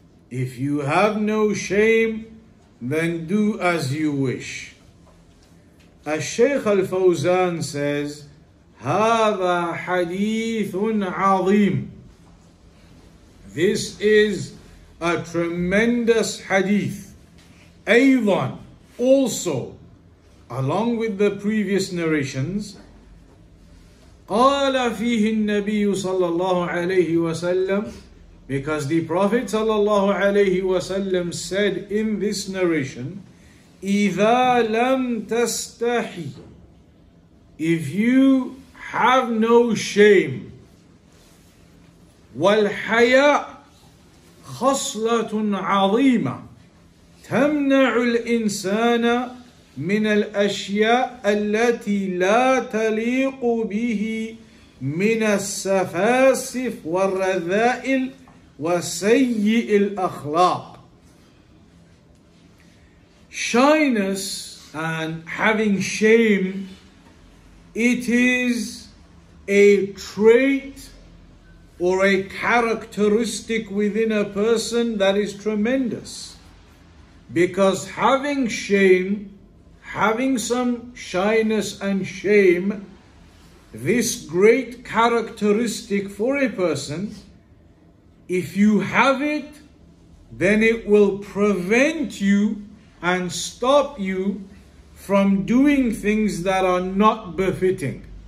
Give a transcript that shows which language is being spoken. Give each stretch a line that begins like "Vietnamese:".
English: If you have no shame, then do as you wish. As Shaykh Al-Fawzan says,
Arabic: هَذَا حَدِيثٌ عَظِيمٌ.
English: This is a tremendous hadith.
Arabic: أيضاً,
English: also, along with the previous narrations,
Arabic: قَالَ فِيهِ النَّبِيُّ صَلَّى اللَّهُ عَلَيْهِ وَسَلَّمُ,
English: because the Prophet sallallahu alayhi wa sallam said in this narration,
Arabic: إِذَا لَمْ تَسْتَحِي,
English: if you have no shame,
Arabic: وَالْحَيَاء خَصْلَةٌ عَظِيمَةٌ تَمْنَعُ الْإِنسَانَ مِنَ الْأَشْيَاءِ الَّتِي لَا تَلِيقُ بِهِ مِنَ السَّفَاسِفِ وَالرَّذَائِلِ وَسَيِّئِ الْأَخْلَاقِ.
English: Shyness and having shame, it is a trait or a characteristic within a person that is tremendous. Because having shame, having some shyness and shame, this great characteristic for a person, if you have it, then it will prevent you and stop you from doing things that are not befitting,